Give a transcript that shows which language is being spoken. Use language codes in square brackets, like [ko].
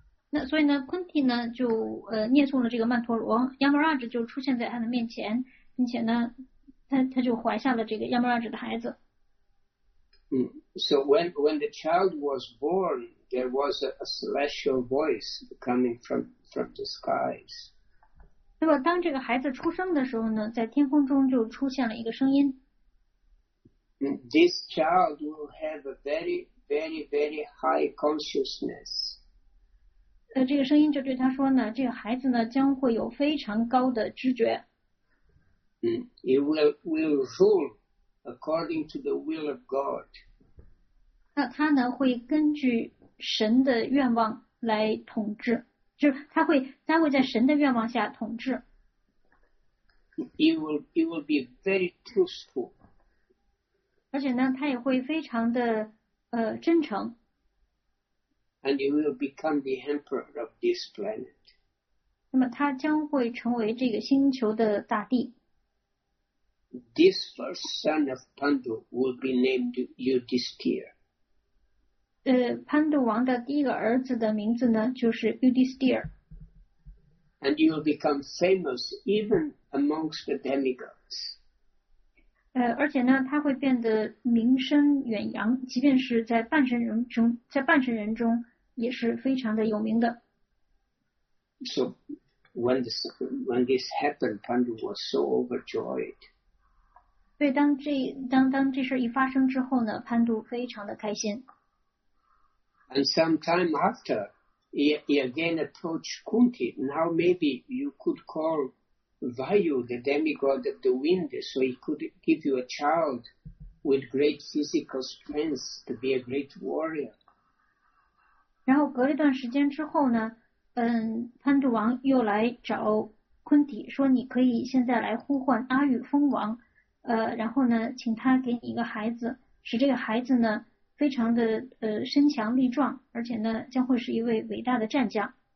[zh] 那所以呢昆蒂呢就念诵了这个曼陀罗， Yamaraj 就出现在他的面前，并且呢他就怀下了这个 Yamaraj 的孩子。 [en] So when the child was born, there was a celestial voice coming from the skies. [zh] 那么当这个孩子出生的时候呢，在天空中就出现了一个声音。 [en] This child will have a very, very, very high consciousness. [zh] 这个声音就对他说呢，这个孩子呢将会有非常高的知觉。 [en] He will rule according to the will of God. [zh] 那他呢会根据神的愿望来统治，就是他会在神的愿望下统治。 [en] he will be very truthful. [zh] 而且呢，他也会非常的真诚。 [en] And he will become the emperor of this planet. [zh] 那么他将会成为这个星球的大帝。 [en] This first son of Pandu will be named Yudhisthira. [zh] 潘度王的第一个儿子的名字呢，就是 Yudhisthira。 [en] And he will become famous even amongst the demigods. [zh] 而且呢，他会变得名声远扬，即便是在半神人中，在半神人中也是非常的有名的。 [en] So when this happened, Pandu was so overjoyed. [zh] 对，当这事一发生之后呢，潘度非常的开心。 [en] And some time after, he again approached Kunti. Now maybe you could call Vayu, the demigod of the wind, so he could give you a child with great physical strength to be a great warrior. [zh] 然后隔了一段时间之后呢，潘度王又来找昆体，说你可以现在来呼唤阿育风王，然后呢，请他给你一个孩子，使这个孩子呢非常的身强力壮，而且呢将会是一位伟大的战将。